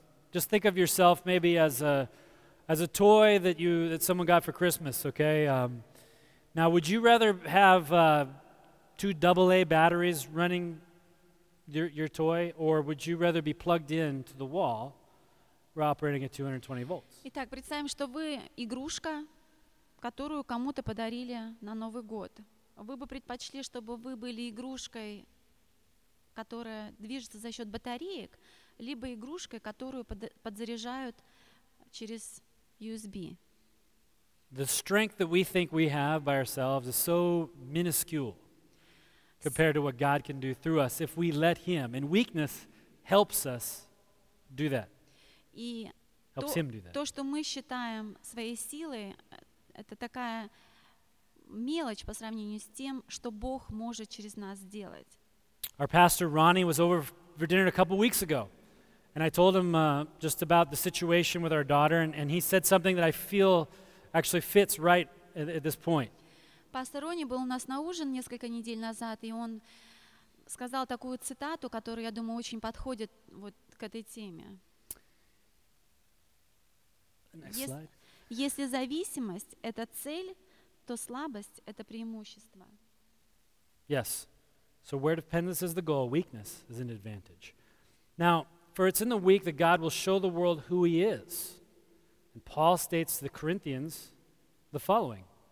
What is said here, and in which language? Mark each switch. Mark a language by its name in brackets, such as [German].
[English] Just think of yourself maybe as a toy that someone got for Christmas, okay? Now, would you rather have two AA batteries running your toy, or would you rather be plugged in to the wall while operating at 220 volts? [Russian] Итак, представим, что вы игрушка, которую кому-то подарили на Новый год. Вы бы предпочли, чтобы вы были игрушкой, которая движется за счет батареек, либо игрушкой, которую подзаряжают через USB. [English] The strength that we think we have by ourselves is so minuscule compared to what God can do through us if we let Him. And weakness helps us do that. Helps Him do that. [Russian] То, что мы считаем своей силой, это такая мелочь по сравнению с тем, что Бог может через нас сделать. [English] Our pastor Ronnie was over for dinner a couple weeks ago. And I told him just about the situation with our daughter, and he said something that I feel actually fits right at this point. [Russian] Пастор Рони был у нас на ужин несколько недель назад, и он сказал такую цитату, которая, я думаю, очень подходит вот к этой теме. [English] Next slide. [Russian] Если зависимость – это цель, то слабость – это преимущество. [English] Yes. So where dependence is the goal, weakness is an advantage. Now, for it's in the weak that God will show the world who He is. And Paul states to the Corinthians the following.